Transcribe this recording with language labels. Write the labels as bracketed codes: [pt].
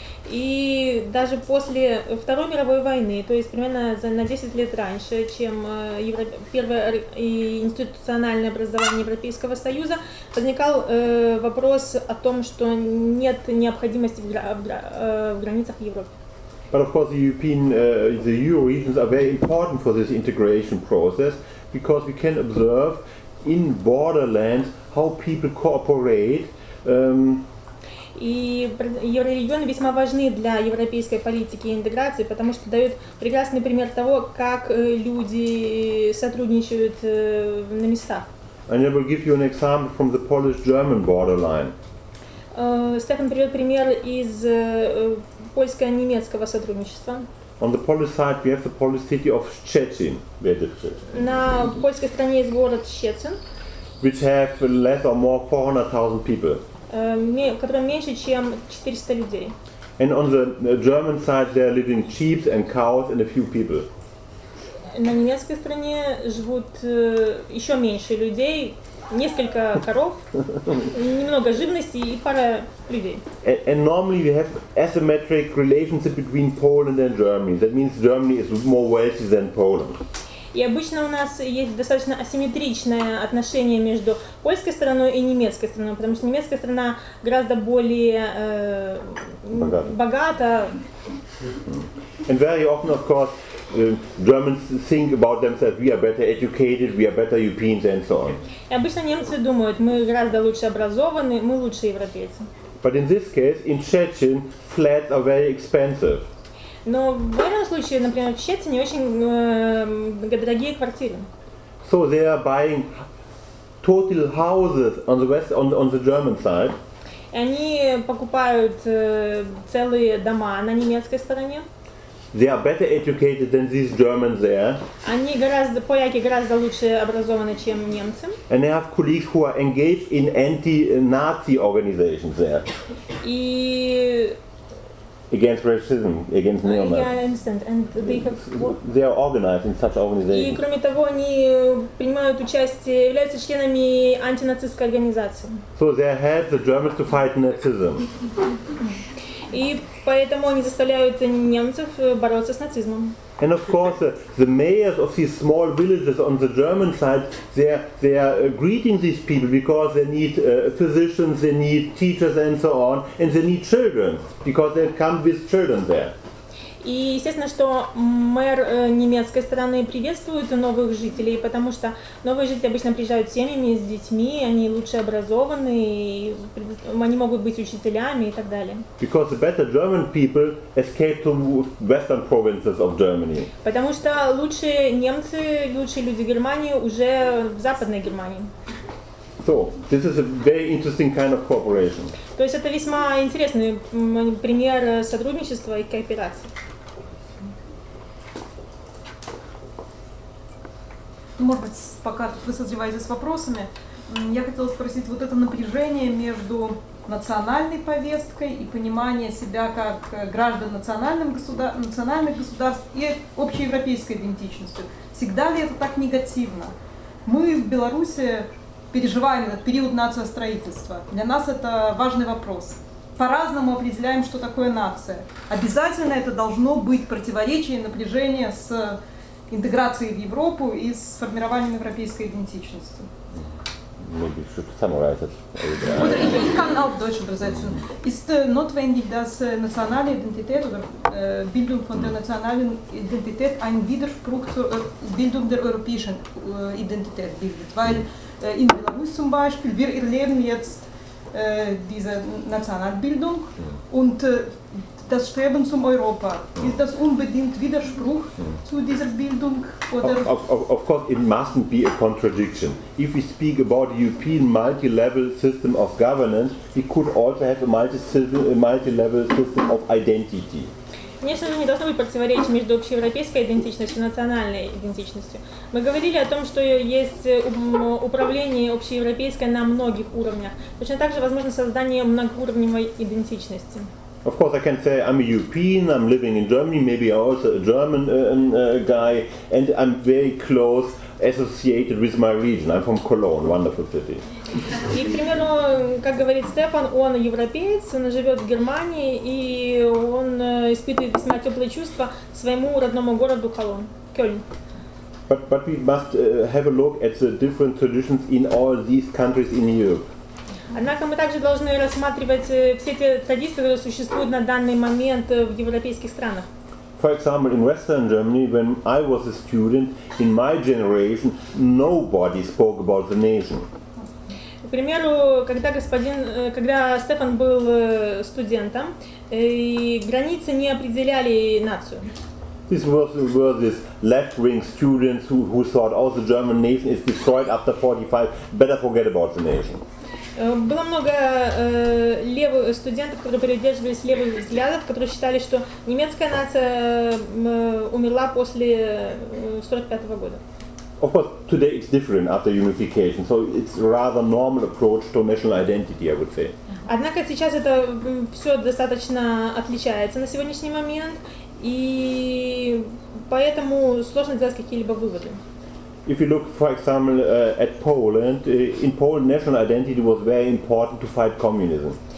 [ru] И даже после Второй мировой войны, то есть примерно на 10 лет раньше, чем первое институциональное образование Европейского Союза, возникал вопрос о том, что нет необходимости в границах Европы. [en] But of course, the Euro regions are very important for this integration process, because we can observe in borderlands how people cooperate. [ru] И еврорегионы весьма важны для европейской политики и интеграции, потому что дают прекрасный пример того, как люди сотрудничают на местах. [en] And I will give you an example from the Polish-German borderline. [ru] Стефан приведет пример из польско-немецкого сотрудничества. [en] On the Polish side, we have the Polish city of Szczecin. [ru] На польской стороне есть город Szczecin, [en] which have less or more 400,000 people. [ru] Которым меньше, чем 400 людей. [en] And on the German side, they are living sheep and cows and a few people. [ru] На немецкой стороне живут еще меньше людей, несколько коров, немного живности и пара людей. [en] And normally we have asymmetric relationship between Poland and Germany. That means Germany is more wealthy than Poland. [ru] И обычно у нас есть достаточно асимметричное отношение между польской стороной и немецкой стороной, потому что немецкая сторона гораздо более богата. [en] And very often, of course, Germans think about themselves, we are better educated, we are better Europeans, and so on. [ru] И обычно немцы думают, мы гораздо лучше образованы, мы лучше европейцы. [en] But in this case, in Szczecin, flats are very expensive. [ru] Но в этом случае, например, в Шведии не очень дорогие квартиры. [en] So they are buying total houses on the west, on the German side. [ru] И они покупают целые дома на немецкой стороне. [en] They are better educated than these Germans there. [ru] Они гораздо, поляки гораздо лучше образованы, чем немцы. [en] And they have colleagues who are engaged in anti-Nazi organizations there. [ru] И [en] against racism, against neo-Nazis. Yeah, I understand. And they are organized in such organizations. [ru] И кроме того, они принимают участие, являются членами антинацистской организации. [en] So they help the Germans to fight Nazism. [ru] И поэтому они заставляют немцев бороться с нацизмом. [en] And of course, the mayors of these small villages on the German side, they are greeting these people because they need physicians, they need teachers and so on, and they need children because they come with children there. [ru] И естественно, что мэр немецкой стороны приветствует новых жителей, потому что новые жители обычно приезжают с семьями, с детьми, они лучше образованы, они могут быть учителями и так далее. [en] Because the better German people escape to western provinces of Germany. [ru] Потому что лучшие немцы, лучшие люди Германии уже в Западной Германии. [en] So, this is a very interesting kind of cooperation. [ru] То есть это весьма интересный пример сотрудничества и кооперации. Может быть, пока вы созреваете с вопросами, я хотела спросить, вот это напряжение между национальной повесткой и понимание себя как граждан национальных государств и общеевропейской идентичностью. Всегда ли это так негативно? Мы в Беларуси переживаем этот период нациостроительства. Для нас это важный вопрос. По-разному определяем, что такое нация. Обязательно это должно быть противоречие и напряжение с интеграцией в Европу и с формированием европейской идентичности. [en] Maybe you should summarize it. [de] Ich kann auf Deutsch übersetzen. Ist notwendig, dass nationale Identität oder Bildung von der nationalen Identität ein Widerspruch zur Bildung der europäischen Identität bildet? Weil in Belarus zum Beispiel, wir erleben jetzt diese Nationalbildung und das Streben zum Europa. Ist das unbedingt Widerspruch zu dieser Bildung? Oder? [en] Of course, it mustn't be a contradiction. If we speak about a European multi-level system of governance, we could also have a multi-level system of identity. [ru] Конечно, не должно быть противоречия между общеевропейской идентичностью и национальной идентичностью. Мы говорили о том, что есть управление общеевропейское на многих уровнях. Точно так же возможно создание многоуровневой идентичности. [en] Of course, I can say I'm a European, I'm living in Germany, maybe I'm also a German guy, and I'm very close associated with my region. I'm from Cologne, wonderful city. [ru] И, к примеру, как говорит Стефан, он европеец, он живет в Германии, и он испытывает весьма теплые чувства своему родному городу Кёльн. [en] But we must have a look at the different traditions in all these countries in Europe. [ru] Однако мы также должны рассматривать все те традиции, которые существуют на данный момент в европейских странах. [en] For example, in Western Germany, when I was a student, in my generation, nobody spoke about the nation. [ru] К примеру, когда Стефан был студентом, границы не определяли нацию. [en] This was were these left-wing students who thought, oh, the German nation is destroyed after 45, better forget about the nation. [ru] Было много левых студентов, которые придерживались левых взглядов, которые считали, что немецкая нация умерла после 45 года. [en] Of course, today it's different after unification, so it's rather normal approach to national identity, I would say. [ru] Однако сейчас это все достаточно отличается на сегодняшний момент, и поэтому сложно сделать какие-либо выводы. [en] If you look, for example, at Poland, in Poland national identity was very important to fight communism.